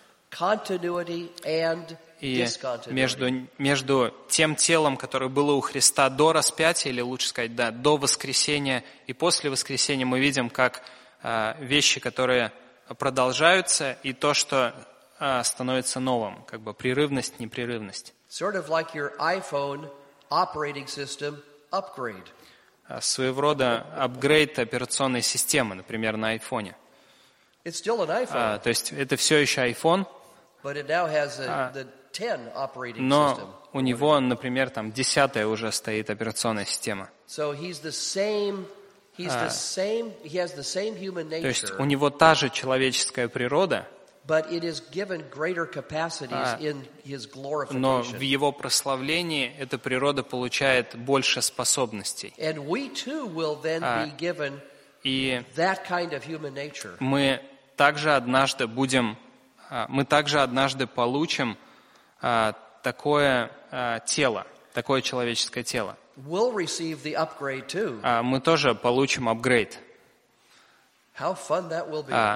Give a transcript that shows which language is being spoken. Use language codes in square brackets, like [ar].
[en] Continuity and discontinuity. [ru] И между тем телом, которое было у Христа до распятия, или лучше сказать, да, до воскресения и после воскресения, мы видим, как вещи, которые продолжаются, и то, что становится новым, как бы прерывность, непрерывность. [en] Sort of like your iPhone operating system upgrade. [ru] Своего рода апгрейд операционной системы, например, на айфоне. [en] It's still an iPhone. [ru] То есть это все еще iPhone. [en] But it now has the 10 operating [ru] но [en] system. [ru] У него, например, там 10-я уже стоит операционная система. [en] So he's the same. He's the same. He has the same human nature. [ru] То есть у него та же человеческая природа. [en] But it is given greater capacities in his glorification. [ru] Но в его прославлении эта природа получает больше способностей. [en] And we too will then be given that kind of human nature. [ru] Мы также однажды будем, мы также однажды получим такое тело, такое человеческое тело. [en] We'll receive the upgrade too. [ru] Мы тоже получим апгрейд. [en] How fun that will be.